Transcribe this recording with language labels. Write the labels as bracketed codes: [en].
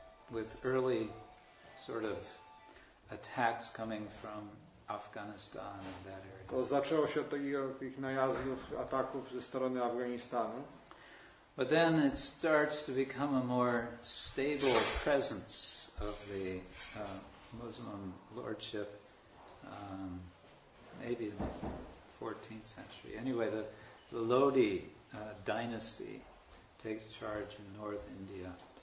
[en] With early sort of attacks coming from Afghanistan and that area. [pl] To zaczęło się od takich najazdów, ataków ze strony Afganistanu. [en] But then it starts to become a more stable presence of the Muslim lordship, maybe in the 14th century. Anyway, the Lodi dynasty takes charge in North India.